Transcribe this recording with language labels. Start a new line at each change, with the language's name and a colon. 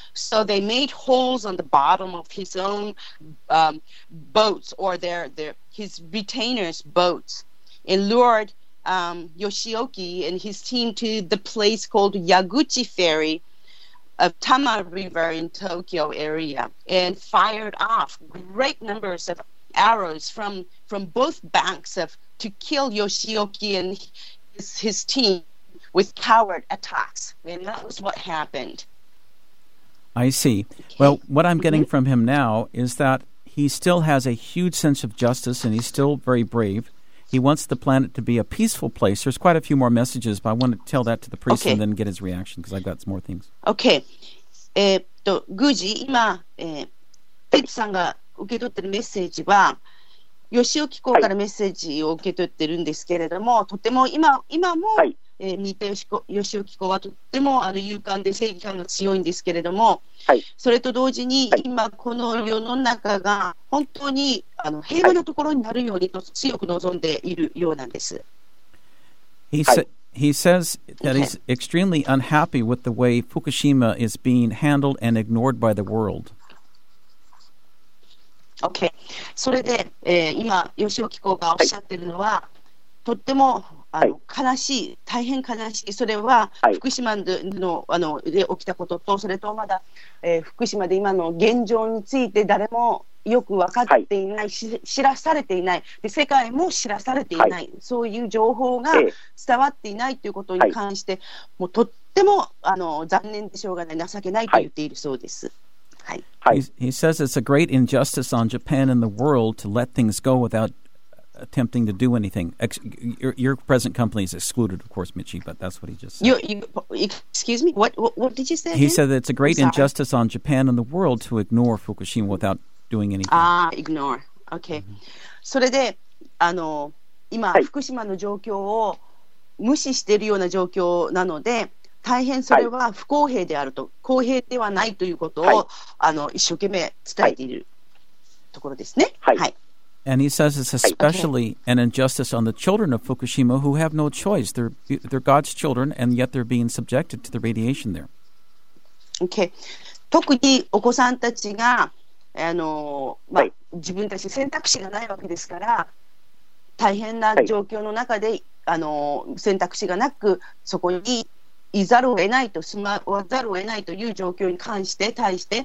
English: So they made holes on the bottom of his own boats or his retainers' boats and lured Yoshioki and his team to the place called Yaguchi Ferry of Tama River in Tokyo area, and fired off great numbers of arrows from both banks of to kill Yoshioki and his team with coward attacks, and that was what happened. I see. Okay. Well, what I'm getting from him now is that he still has a huge sense of justice, and he's still very brave. He wants the planet to be a peaceful place. There's quite a few more messages, but I want to tell that to the priest okay. and then get his reaction, because I've got some more things. Okay.
Japanese: Guji, 今、ペッツさんが受け取ってるメッセージは、義雄機構からメッセージを受け取ってるんですけれども、はい、とても今も、はい、三田義雄機構はとてもあの勇敢で正義感が強いんですけれども、はい、それと同時に、はい、今この世の中が本当にあの平和なところになるようにと強く望んでいるようなんです。
English: はい、He says that he's extremely unhappy with the way Fukushima is being handled and ignored by the world. Okay.
Japanese: それで、今義雄機構がおっしゃってるのは、はい、とってもあの悲しい、大変悲しい、それは福島 の、はい、あので起きたことと、それとまだ、福島で今の現状について誰もよく分かっていない、はい、知らされていない、で世界も知らされていない、はい、そういう情報が伝わっていないということに関して、はい、もうとってもあの残念でしょうがない、情けないと言っているそうです。はい、
English: He says it's a great injustice on Japan and the world to let things go withoutattempting to do anything. Your present company is excluded, of course, Michi, but that's what he just said. Excuse me? What did you say? He said that it's a great injustice on Japan and the world to ignore Fukushima without doing anything. Ignore. Okay. Mm-hmm.
Japanese: それで、あの、今、はい、福島の状況を無視しているような状況なので、大変それは不公平であると、はい、公平ではないということを、はい、あの、一生懸命伝えている、はい、ところですね。はい。はい
English: And he says it's especially an injustice on the children of Fukushima who have no choice. They're God's children, and yet they're being subjected to the radiation there. Okay.
Japanese: 特にお子さんたちが、まあ、はい、自分たち選択肢がないわけですから、大変な状況の中で、はい、選択肢がなくそこにいざるを得ないと、住まわざるを得ないという状況に関して対して、